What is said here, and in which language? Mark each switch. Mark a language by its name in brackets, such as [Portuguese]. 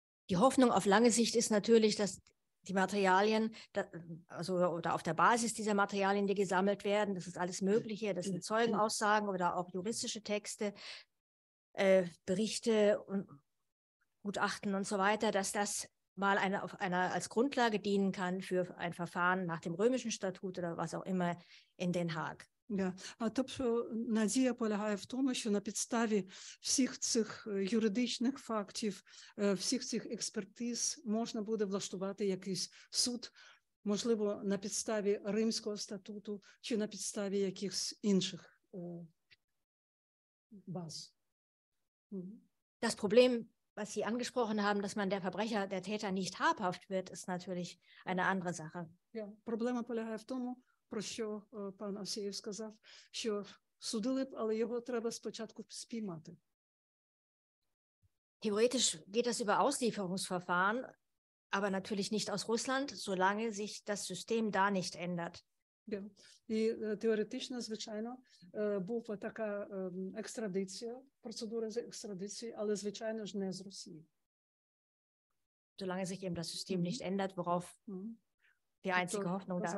[German] Die Hoffnung auf lange Sicht ist natürlich, dass die Materialien, also oder auf der Basis dieser Materialien, die gesammelt werden, das ist alles Mögliche, das sind Zeugenaussagen oder auch juristische Texte, Berichte und Gutachten und so weiter, dass das mal als Grundlage dienen kann für ein Verfahren nach dem römischen Statut oder was auch immer in Den Haag. [Russian] Да. [Ukrainian] А тобто надія полягає в тому, що на підставі всіх цих юридичних фактів, всіх цих експертиз можна буде влаштувати якийсь суд, можливо, на підставі Римського статуту чи на підставі якихось інших баз. [German] Das Problem was Sie angesprochen haben, dass man der Verbrecher, der Täter nicht habhaft wird, ist natürlich eine andere Sache. Ja, Problem [Ukrainian] polegає в тому, про що пан Асєєв сказав, що судили б, але його треба спочатку спіймати. [German] Theoretisch geht das über Auslieferungsverfahren, aber natürlich nicht aus Russland, solange sich das System da nicht ändert. Ja. [Ukrainian] І теоретично, звичайно, була така екстрадиція, процедура з екстрадиції, але, звичайно ж, не з Росії. [German] Solange sich eben das System nicht ändert, worauf die einzige Hoffnung da